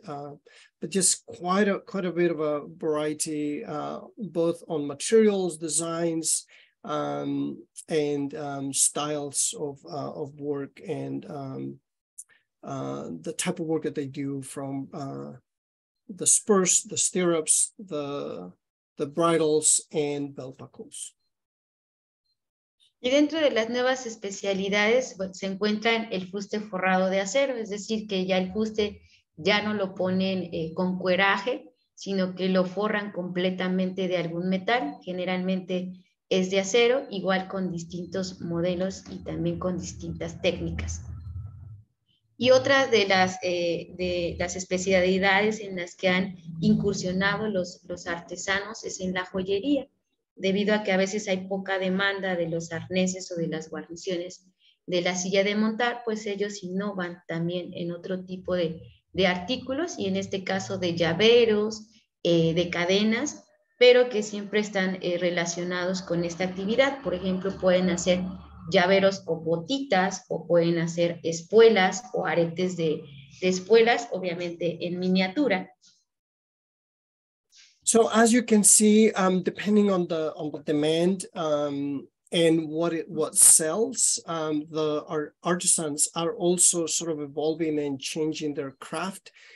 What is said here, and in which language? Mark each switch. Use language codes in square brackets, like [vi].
[en] But just quite a bit of a variety, both on materials, designs, and styles of work, and the type of work that they do, from the spurs, the stirrups, the bridles, and belt buckles. [es] Y dentro de las nuevas especialidades se encuentran el fuste forrado de acero, es decir, que ya el fuste ya no lo ponen con cueraje, sino que lo forran completamente de algún metal, generalmente es de acero, igual con distintos modelos y también con distintas técnicas. Y otra de las especialidades en las que han incursionado los artesanos es en la joyería, debido a que a veces hay poca demanda de los arneses o de las guarniciones de la silla de montar, pues ellos innovan también en otro tipo de artículos, y en este caso de llaveros, de cadenas, pero que siempre están relacionados con esta actividad. Por ejemplo, pueden hacer llaveros o botitas, o pueden hacer espuelas o aretes de espuelas, obviamente en miniatura. [en] So as you can see, depending on the demand and what sells, our artisans are also sort of evolving and changing their craft.